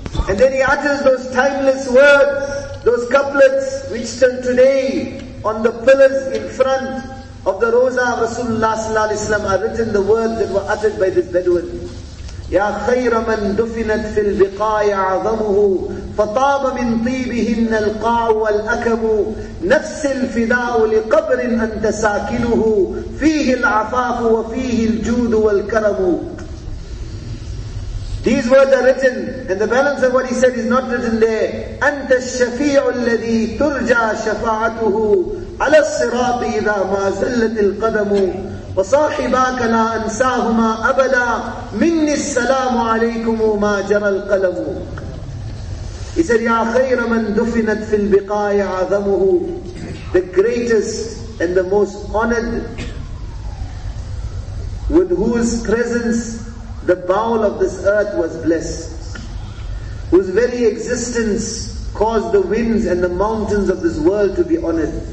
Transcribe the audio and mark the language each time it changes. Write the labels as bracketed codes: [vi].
[en] And then he utters those timeless words, those couplets which stand today on the pillars in front of the Rosa of Rasulullah sallallahu alaihi wasallam, are written the words that were uttered by this Bedouin. Ya khayra man dufinat fil biqa'i a'zamuhu [ar] فطاب من طيبهن القاع والأكب نفس الفداء لقبر أنت ساكنه فيه العفاف وفيه الجود والكرم. [en] These words are written, and the balance of what he said is not written there. [ar] أنت الشفيع الذي ترجى شفاعته على الصراط إذا ما زلت القدم وصاحباك لا أنساهما أبدا مني السلام عليكم ما جرى القلم. [en] He said, يَا خَيْرَ مَنْ دُفِنَتْ فِي الْبِقَاءِ عَظَمُهُ. The greatest and the most honored, with whose presence the bowel of this earth was blessed, whose very existence caused the winds and the mountains of this world to be honored.